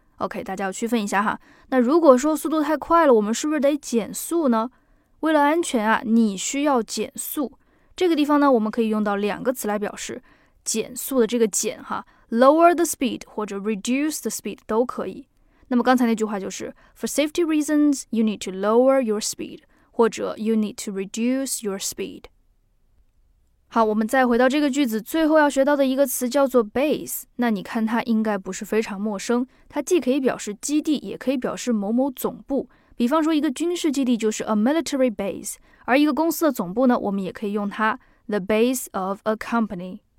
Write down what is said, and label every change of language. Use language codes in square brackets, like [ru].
[zh] OK， 大家要区分一下哈。那如果说速度太快了，我们是不是得减速呢？为了安全啊，你需要减速。这个地方呢，我们可以用到两个词来表示减速的这个减哈， [en] lower the speed [zh] 或者 [en] reduce the speed [zh] 都可以。那么刚才那句话就是 [en] for safety reasons you need to lower your speed [zh] 或者 [en] you need to reduce your speed。 [zh] 好，我们再回到这个句子，最后要学到的一个词叫做 base。那你看它应该不是非常陌生，它既可以表示基地，也可以表示某某总部。比方说一个军事基地就是 [en] a military base， [zh] 而一个公司的总部呢，我们也可以用它 [en] the base of a company。